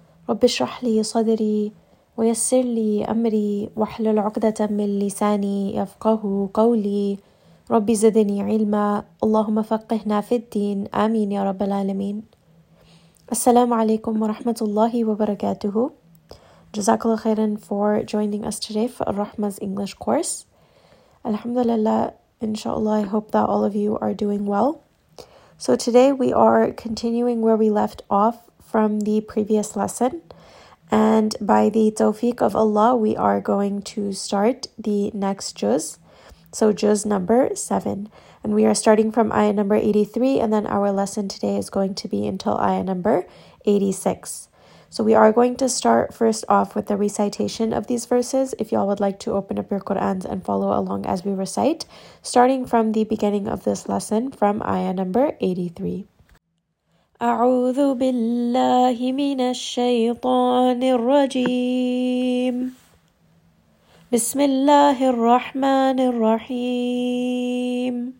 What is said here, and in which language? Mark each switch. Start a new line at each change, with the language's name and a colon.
Arabic: رب اشرح لي صدري ويسر لي أمري واحلل عقدة من لساني يفقه قولي. ربي زدني علما، اللهم فقهنا في الدين، آمين يا رب العالمين. السلام عليكم ورحمة الله وبركاته. جزاك الله خيرا
English: for joining us today for Rahma's English course.
Arabic: الحمد لله. إن شاء الله
English: I hope that all of you are doing well. So today we are continuing where we left off from the previous lesson. And by the tawfiq of Allah, we are going to start the next juz. So juz number 7. And we are starting from ayah number 83. And then our lesson today is going to be until ayah number 86. So we are going to start first off with the recitation of these verses. If y'all would like to open up your Qur'ans and follow along as we recite, starting from the beginning of this lesson, from ayah number 83.
Arabic: أعوذ بالله من الشيطان الرجيم. بسم الله الرحمن الرحيم.